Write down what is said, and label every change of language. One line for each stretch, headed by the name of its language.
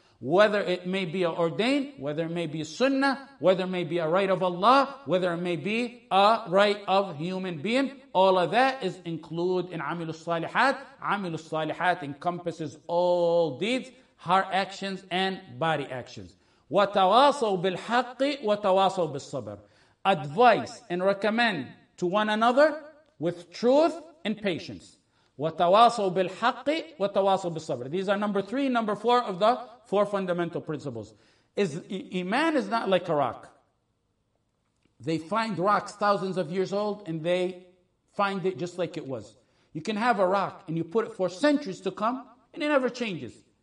English: Whether it may be an ordained, whether it may be a sunnah, whether it may be a right of Allah, whether it may be a right of human being, all of that is included in
Arabic: عَمِلُوا الصَّالِحَاتِ. عَمِلُوا الصَّالِحَاتِ
English: encompasses all deeds, heart actions and body actions.
Arabic: وتواصوا بالحق وتواصوا بالصبر.
English: Advise and recommend to one another with truth and patience.
Arabic: وتواصوا بالحق وتواصوا بالصبر.
English: These are number three, number four of the four fundamental principles. Is Iman is not like a rock. They find rocks thousands of years old and they find it just like it was. You can have a rock and you put it for centuries to come and it never changes.